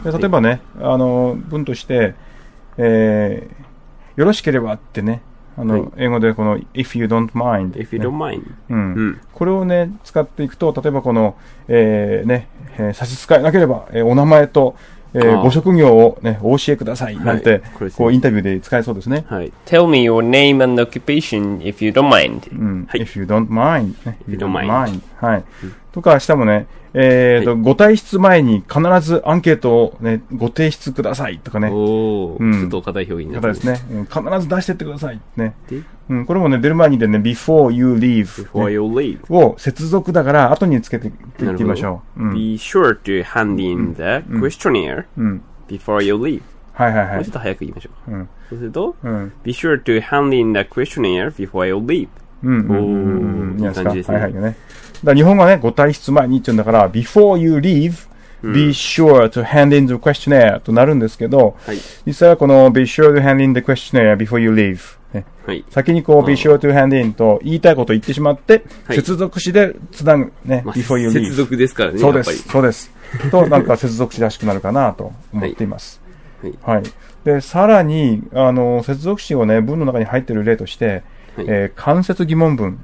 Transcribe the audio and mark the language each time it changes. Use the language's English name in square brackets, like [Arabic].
[Japanese] はい、で例えばね、はい、文として、よろしければってね、はい、英語でこの [English] if you don't mind、 [Japanese] ね、 [English] if you don't mind、 [Japanese] うんうん、これをね使っていくと、例えばこの、ね、差し支えなければ、お名前と、ご職業をね、お教えくださいなんて、はい、こうインタビューで使えそうですね、 [English] はい、Tell me your name and occupation if you don't mind、うん、はい、if you don't mind、ね、if you don't mind, you don't mind、 [Japanese] はい、うん、とかしてもね、はい、ご退出前に必ずアンケートを、ね、ご提出くださいとかね、おお、うん、ちょっと堅い表現になるんですね、必ず出してってくださいね、うん、これもね出る前にでね [English] before you leave、 [Japanese] ね、 [English] before you leave [Japanese] を接続だから後につけていきましょう、う [English] ん、be sure to hand in the questionnaire、うんうん、before you leave、 [Japanese] はいはいはい、もうちょっと早く言いましょう、うん、そうすると、うん、 [English] be sure to hand in the questionnaire before you leave、 [Japanese] うん、おー、いい感じですね、はいはいね、だ日本語はねご退出前にって言うんだから [English] before you leave、 [Japanese] うん、 [English] be sure to hand in the questionnaire [Japanese] となるんですけど、はい、実際はこの [English] be sure to hand in the questionnaire before you leave、ね、 [Japanese] はい、先にこう [English] be sure to hand in [Japanese] と言いたいことを言ってしまって、はい、接続詞でつなぐね、まあ、 [English] before you leave [Japanese] 接続ですからね、そうですそうですとなんか接続詞らしくなるかなと思っています。はい、はい、でさらに接続詞をね文の中に入っている例として、はい、間接疑問文。